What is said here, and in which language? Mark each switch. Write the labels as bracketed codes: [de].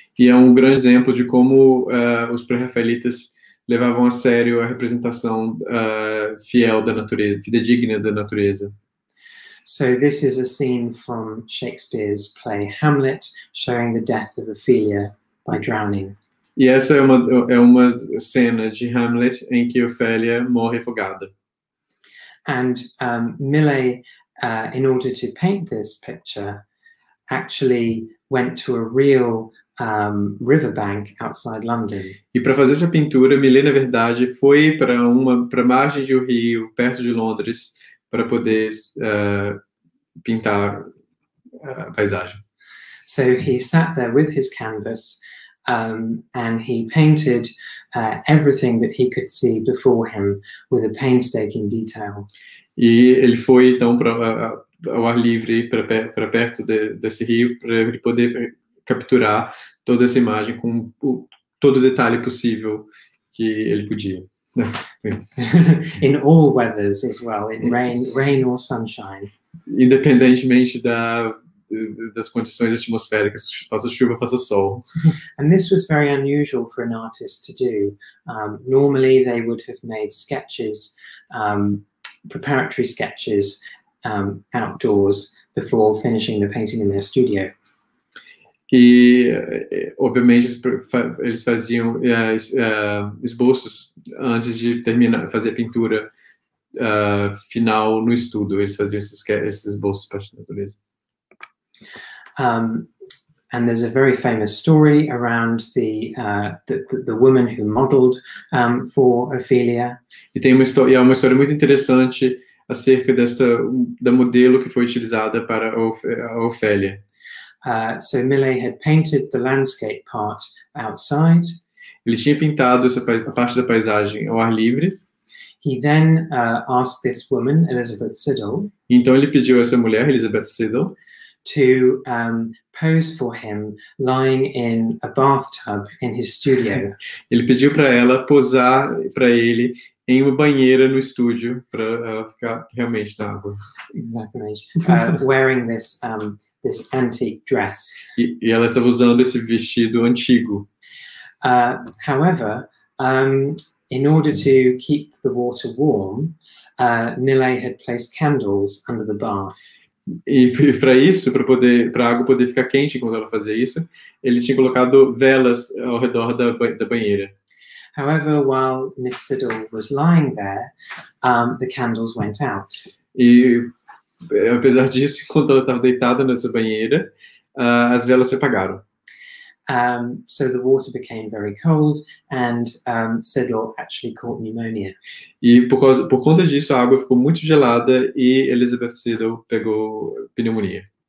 [pt] E é um grande exemplo de como os pré-rafaelitas levavam a sério a representação fiel da natureza, fidedigna da natureza. [en] So this is a scene from Shakespeare's play Hamlet, showing the death of Ophelia by drowning. [pt] E essa é uma cena de Hamlet em que Ophelia morre afogada. [en] And Millet, in order to paint this picture, actually went to a real riverbank outside London. [pt] E para fazer essa pintura, Millet, na verdade, foi para a margem de um rio perto de Londres para poder pintar a paisagem. [en] So he sat there with his canvas and he painted everything that he could see before him with a painstaking detail. [pt] E ele foi então para ao ar livre, para perto desse rio, para ele poder capturar toda essa imagem com todo detalhe possível que ele podia. [en] In all weathers as well, in rain or sunshine. [pt] Independentemente das condições atmosféricas, faça chuva, faça sol. [en] And this was very unusual for an artist to do. Normally they would have made sketches, preparatory sketches, outdoors before finishing the painting in their studio. [pt] E, obviamente, eles faziam esboços antes de terminar, fazer a pintura final no estudo. Eles faziam esses esboços para a natureza. [en] And there's a very famous story around the woman who modeled for Ophelia. [pt] E tem uma história muito interessante acerca da modelo que foi utilizada para a Ophelia. [en] So Millet had painted the landscape part outside. [pt] Ele tinha pintado essa parte da paisagem ao ar livre. [en] He then asked this woman, Elizabeth Siddal. [pt] Então ele pediu essa mulher, Elizabeth Siddal, [en] to pose for him lying in a bathtub in his studio. [pt] Ele pediu para ela posar para ele em uma banheira no estúdio para ela ficar realmente na água. Exatamente. [en] Wearing this this antique dress. [pt] E ela estava usando esse vestido antigo. [en] However, in order to keep the water warm, Millet had placed candles under the bath. [pt] E para isso, para poder, para a água poder ficar quente quando ela fazia isso, ele tinha colocado velas ao redor da, da banheira. [en] However, while Miss Siddle was lying there, the candles went out. [pt] E apesar disso, enquanto ela estava deitada nessa banheira, as velas se apagaram. [en] So the water became very cold, and Siddle actually caught pneumonia. [pt] E por conta disso, a água ficou muito gelada e Elizabeth Siddle pegou pneumonia.